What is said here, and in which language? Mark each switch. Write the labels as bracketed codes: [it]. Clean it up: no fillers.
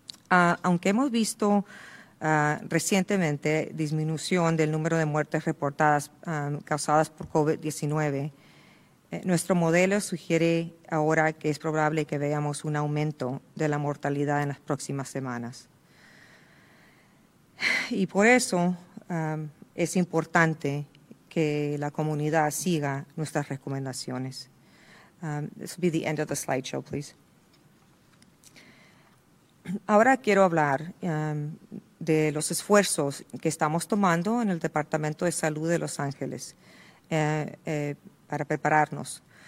[es] Aunque hemos visto recientemente disminución del número de muertes reportadas causadas por COVID-19, nuestro modelo sugiere ahora que es probable que veamos un aumento de la mortalidad en las próximas semanas. Y por eso es importante que la comunidad siga nuestras recomendaciones. [en] This will be the end of the slideshow, please. [es] Ahora quiero hablar de los esfuerzos que estamos tomando en el Departamento de Salud de Los Ángeles para prepararnos.